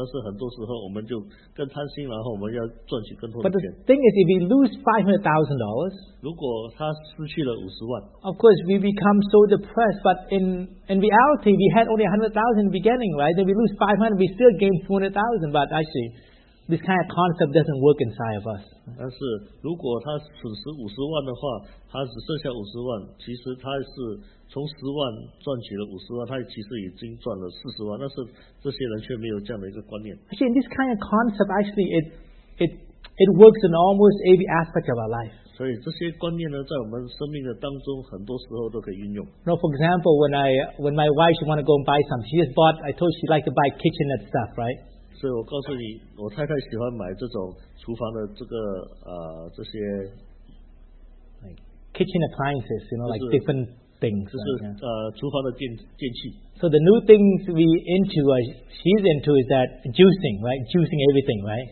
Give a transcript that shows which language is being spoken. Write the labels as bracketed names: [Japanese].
[Chinese] 但是很多时候我们就更贪心，然后我们要赚取更多的钱。 [English] But the thing is, if we lose $500,000, [Chinese] 如果他失去了50万 [English] ，of course we become so depressed. But in reality, we had only $100,000 in the beginning, right? Then we lose $500,000, we still gain $200,000. But actually. This kind of concept doesn't work inside of us. [Chinese] 但是如果他损失五十万的话，他只剩下五十万，其实他是从十万赚取了五十万，他其实已经赚了四十万。但是这些人却没有这样的一个观念。 [English] Actually, this kind of concept actually it works in almost every aspect of our life. [Chinese] 所以这些观念呢，在我们生命的当中，很多时候都可以运用。 [English] Now, for example, when my wife she want to go and buy something, she just bought. I told she like to buy kitchenette stuff, right? [Chinese] 所以我告诉你，我太太喜欢买这种厨房的这个这些 [English] kitchen appliances, you know, like different things. [Chinese] 就是厨房的电器。 [English] So the new things we into, she's into is that juicing, right? Juicing everything, right?